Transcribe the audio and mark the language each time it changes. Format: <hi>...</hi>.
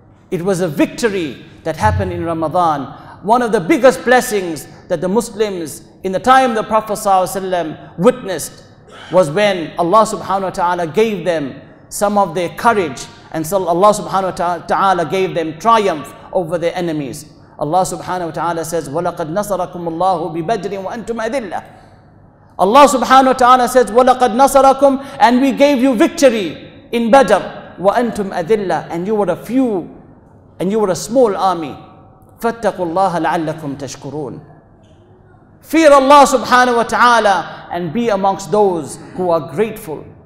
<en>It was a victory that happened in Ramadan. One of the biggest blessings that the Muslims in the time the Prophet ﷺ witnessed was when Allah subhanahu wa ta'ala gave them some of their courage, and so Allah subhanahu wa ta'ala gave them triumph over their enemies.</en> <ar>Allah subhanahu wa ta'ala says, وَلَقَدْ نَصَرَكُمُ اللَّهُ بِبَدْرٍ وَأَنْتُمْ أَذِلَّةٌ.</ar> <en>Allah subhanahu wa ta'ala says,</en> <ar>وَلَقَدْ نَصَرَكُمْ,</ar> <en>and we gave you victory in Badr,</en> <ar>وَأَنْتُمْ أَذِلَّةٌ,</ar> <en>and you were a few, and you were a small army.</en> <ar>فَاتَّقُوا اللَّهَ لَعَلَّكُمْ تَشْكُرُونَ.</ar> <en>Fear Allah subhanahu wa ta'ala and be amongst those who are grateful.</en>